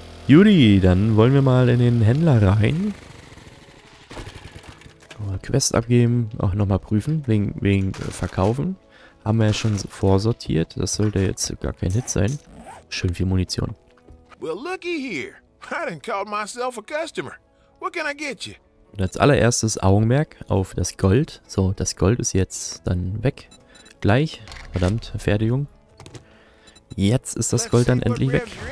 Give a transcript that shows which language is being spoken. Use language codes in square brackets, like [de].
[de] Juri, dann wollen wir mal in den Händler rein. Mal Quest abgeben, auch nochmal prüfen, wegen Verkaufen. Haben wir ja schon vorsortiert, das sollte jetzt gar kein Hit sein. Schön viel Munition. [en] Well, looky here. I didn't call myself a customer. What can I get you? [de] Und als allererstes Augenmerk auf das Gold. So, das Gold ist jetzt dann weg. Gleich. Verdammt, Pferdejung. Jetzt ist das Gold dann endlich weg.